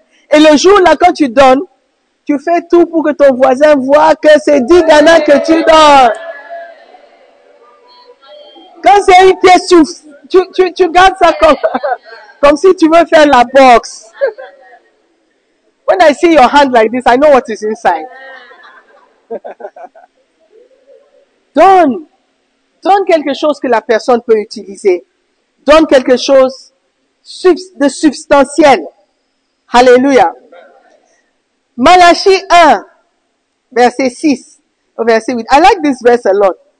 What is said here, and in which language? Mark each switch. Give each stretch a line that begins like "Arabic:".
French: Et le jour là, quand tu donnes, tu fais tout pour que ton voisin voit que c'est 10 Ghana que tu donnes. Quand c'est une pièce, tu gardes ça comme si tu veux faire la boxe.
English: When I see your hand like this, I know what is inside.
French: Donne. Donne quelque chose que la personne peut utiliser. Donne quelque chose de substantiel. Alléluia. Malachie 1, verset 6, au verset 8.
English: I like this verse a lot.